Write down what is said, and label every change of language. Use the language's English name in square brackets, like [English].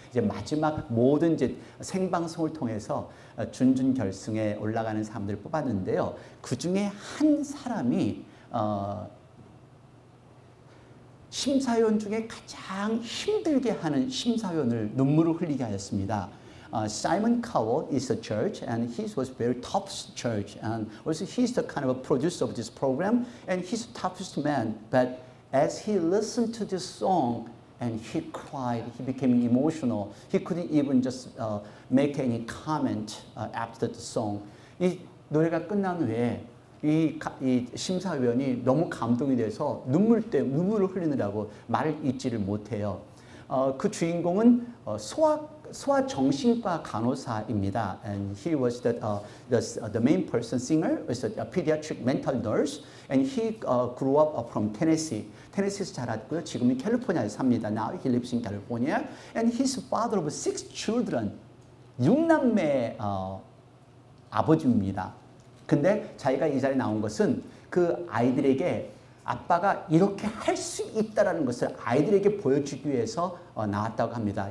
[Korean] 이제 마지막 모든 이제 생방송을 통해서 준준 결승에 올라가는 사람들을 뽑았는데요. 그 중에 한 사람이 심사위원 중에 가장 힘들게 하는 심사위원을 눈물을 흘리게 하였습니다. [English] Simon Cowell is a judge, and he was very top judge, and also he's the kind of a producer of this program, and he's the toughest man, but as he listened to this song and he cried, he became emotional. He couldn't even just make any comment after the song. [Korean] 이 노래가 끝난 후에 이 심사위원이 너무 감동이 돼서 눈물을 흘리느라고 말을 잊지를 못해요. 그 주인공은 소아정신과 간호사입니다. [English] And he was the main person singer, was a pediatric mental nurse. And he grew up from Tennessee. [Korean] Tennessee에서 자랐고요. 지금은 캘리포니아에 삽니다. [English] Now he lives in California. And he's a father of six children. [Korean] 6남매 아버지입니다. 근데 자기가 이 자리에 나온 것은 그 아이들에게 아빠가 이렇게 할 수 있다라는 것을 아이들에게 보여주기 위해서 나왔다고 합니다.